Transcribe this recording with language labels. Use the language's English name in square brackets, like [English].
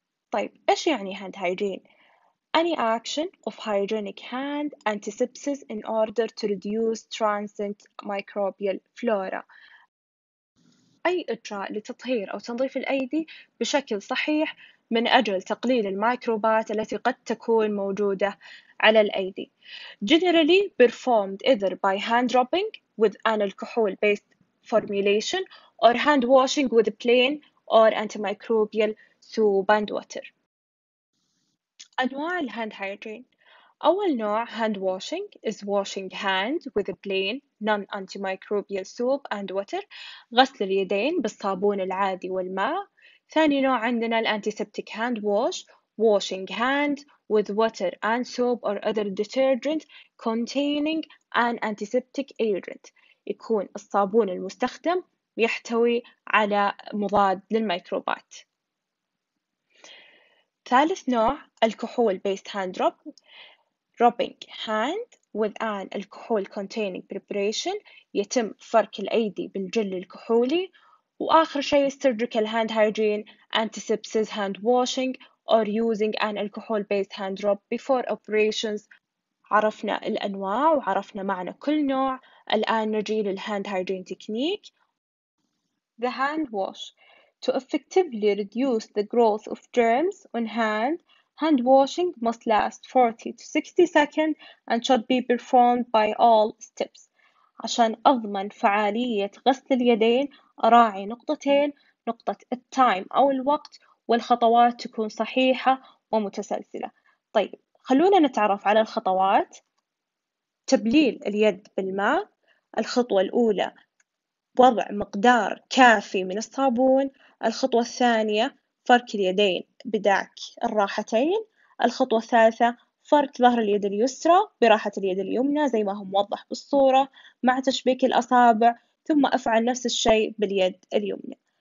[Arabic] طيب إيش يعني هاند هايجين؟ [English] Any action of hygienic hand antisepsis in order to reduce transient microbial flora. [Arabic] أي إجراء لتطهير أو تنظيف الأيدي بشكل صحيح من أجل تقليل الميكروبات التي قد تكون موجودة على الأيدي. [English] Generally performed either by hand rubbing with an alcohol-based formulation or hand washing with plain or antimicrobial soap and water. [Arabic] أنواع الهاند هايجين: أول نوع [English] hand washing is washing hand with a plain non-antimicrobial soap and water، [Arabic] غسل اليدين بالصابون العادي والماء. ثاني نوع عندنا [English] antiseptic hand wash، washing hand with water and soap or other detergent containing an antiseptic agent، [Arabic] يكون الصابون المستخدم يحتوي على مضاد للميكروبات. ثالث نوع [English] alcohol-based hand rub، rubbing hand with an alcohol-containing preparation، [Arabic] يتم فرك الأيدي بالجل الكحولي. وآخر شيء [English] surgical hand hygiene، antisepsis hand washing or using an alcohol-based hand rub before operations. [Arabic] عرفنا الأنواع وعرفنا معنى كل نوع، الآن نجي للهاند hygiene technique. [English] The hand wash: to effectively reduce the growth of germs on hand, hand washing must last 40 to 60 seconds and should be performed by all steps. [Arabic] عشان أضمن فعالية غسل اليدين أراعي نقطتين، نقطة التايم أو الوقت، والخطوات تكون صحيحة ومتسلسلة. طيب خلونا نتعرف على الخطوات. تبليل اليد بالماء، الخطوة الأولى وضع مقدار كافي من الصابون، الخطوة الثانية فرك اليدين بداك الراحتين، الخطوة الثالثة فرك ظهر اليد اليسرى براحة اليد اليمنى زي ما هو موضح بالصورة مع تشبيك الأصابع، ثم أفعل نفس الشيء باليد اليمنى.